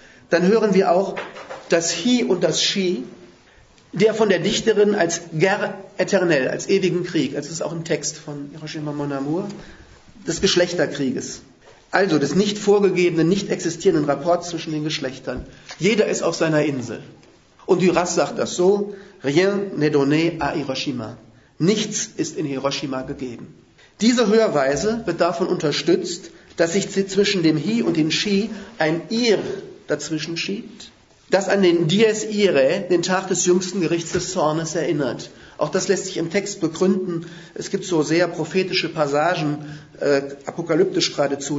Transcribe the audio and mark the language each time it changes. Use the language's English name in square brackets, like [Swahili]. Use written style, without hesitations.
[German] Dann hören wir auch das Hi und das Shi, der von der Dichterin als [French] guerre éternelle, [German] als ewigen Krieg, also das ist auch ein Text von Hiroshima Mon Amour, des Geschlechterkrieges. Also des nicht vorgegebenen, nicht existierenden Rapports zwischen den Geschlechtern. Jeder ist auf seiner Insel. Und Duras sagt das so, [French] rien n'est donné à Hiroshima. [German] Nichts ist in Hiroshima gegeben. Diese Hörweise wird davon unterstützt, dass sich zwischen dem Hi und dem Shi ein Ir dazwischen schiebt, das an den Dies Irae, den Tag des jüngsten Gerichts des Zornes, erinnert. Auch das lässt sich im Text begründen. Es gibt so sehr prophetische Passagen, apokalyptisch geradezu.